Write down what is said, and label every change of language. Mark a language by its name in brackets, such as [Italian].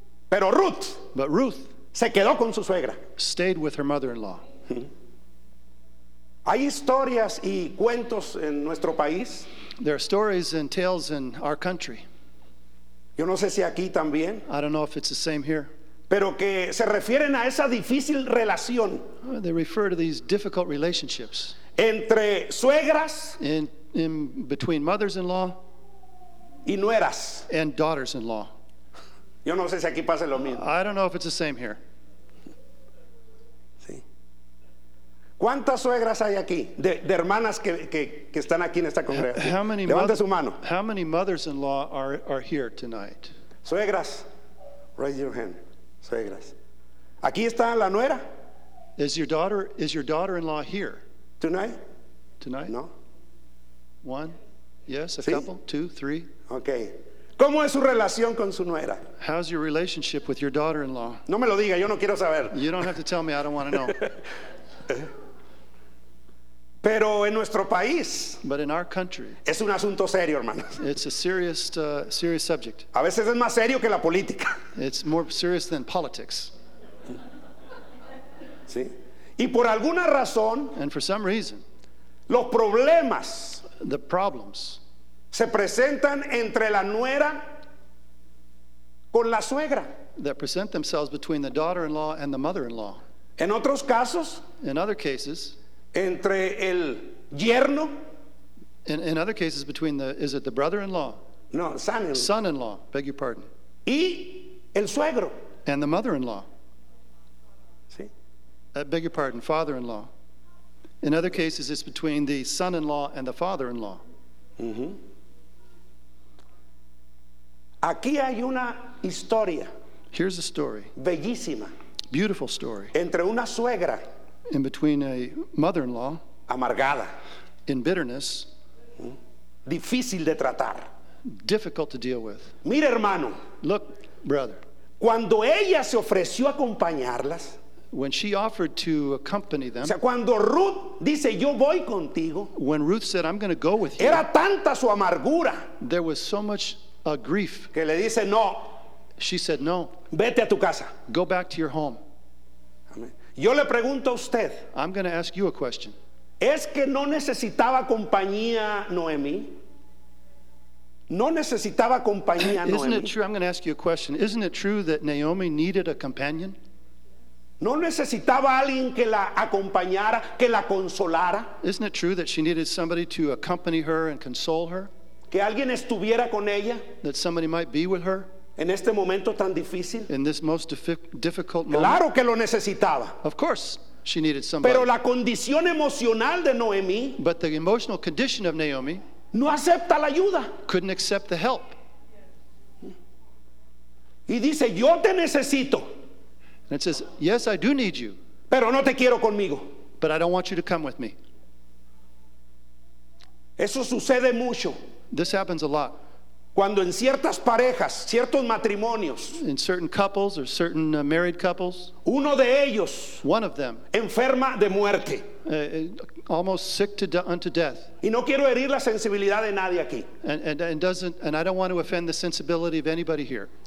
[Spanish] Pero Ruth. [English] But Ruth. [Spanish] Se quedó con su suegra. [English] Stayed with her mother-in-law. [Spanish] Hay historias y cuentos en nuestro país. [English] There are stories and tales in our country. [Spanish] Yo no sé si aquí también. [English] I don't know if it's the same here. [Spanish] Pero que se refieren a esa difícil relación. [English] They refer to these difficult relationships. [Spanish] Entre suegras. [English] In between mothers-in-law. [Spanish] Y nueras. [English] And daughters-in-law. [Spanish] Yo no sé si aquí pasa lo mismo. [English] I don't know if it's the same here. [Spanish] Sí. ¿Cuántas suegras hay aquí? De hermanas que están aquí en esta congregación. Levante su mano. [English] How many mothers-in-law are here tonight? [Spanish] Suegras. [English] Raise your hand. [Spanish] Suegras. Aquí está la nuera. [English] Is your daughter-in-law here? Tonight? No. One? Yes, a [Spanish] sí. [English] Couple? Two? Three? [Spanish] Okay. ¿Cómo es su relación con su nuera? [English] How's your relationship with your daughter-in-law? [Spanish] No me lo diga, yo no quiero saber. [English] You don't have to tell me, I don't want to know. [Spanish] Pero en nuestro país. [English] But in our country. [Spanish] Es un asunto serio, hermano. [English] It's a serious subject. [Spanish] A veces es más serio que la política. [English] It's more serious than politics. [Spanish] Sí. Y por alguna razón. [English] And for some reason. [Spanish] Los problemas. [English] The problems. [Spanish] Se presentan entre la nuera con la suegra. [English] That present themselves between the daughter-in-law and the mother-in-law. [Spanish] En otros casos. [English] In other cases. [Spanish] Entre el yerno. [English] In other cases, between the, is it the brother-in-law? No, son-in-law. Son-in-law, beg your pardon. [Spanish] Y el suegro. [English] And the mother-in-law. [Spanish] Sí. [English] Beg your pardon, father-in-law. In other cases, it's between the son-in-law and the father-in-law. Mm-hmm. [Spanish] Aquí hay una historia. [English] Here's a story. [Spanish] Bellísima. [English] Beautiful story. [Spanish] Entre una suegra. [English] In between a mother-in-law, [Spanish] amargada, [English] in bitterness, [Spanish] difícil de tratar, [English] difficult to deal with. [Spanish] Mira, hermano, [English] look, brother, [Spanish] cuando ella se ofreció acompañarlas, [English] when she offered to accompany them, [Spanish] o sea, cuando Ruth dice yo voy contigo, [English] when Ruth said I'm going to go with you, [Spanish] era tanta su amargura, [English] there was so much grief, [Spanish] que le dice no, [English] she said no, [Spanish] vete a tu casa, [English] go back to your home. [Spanish] Yo le pregunto a usted. [English] I'm going to ask you a question. [Spanish] ¿Es que no necesitaba compañía Noemí? ¿No necesitaba compañía Noemí? [English] Isn't it true? I'm going to ask you a question. Isn't it true that Naomi needed a companion? [Spanish] ¿No necesitaba alguien que la acompañara, que la consolara? [English] Isn't it true that she needed somebody to accompany her and console her? [Spanish] ¿Que alguien estuviera con ella? [English] That somebody might be with her? [Spanish] En este momento tan difícil. [English] In this most difficult moment. [Spanish] Claro que lo necesitaba. [English] Of course, she needed somebody. [Spanish] Pero la condición emocional de Noemí. [English] But the emotional condition of Naomi. [Spanish] No acepta la ayuda. [English] Couldn't accept the help. [Spanish] Y dice, yo te necesito. [English] And it says, yes, I do need you. [Spanish] Pero no te quiero conmigo. [English] But I don't want you to come with me. [Spanish] Eso sucede mucho. [English] This happens a lot. [Spanish] Cuando en ciertas parejas, ciertos matrimonios, [English] in certain couples or certain married couples, [Spanish] uno de ellos, [English] one of them, [Spanish] enferma de muerte, [English] almost sick to unto death, [Spanish] y no quiero herir la sensibilidad de nadie aquí, [English] and I don't want to offend the sensibility of anybody here,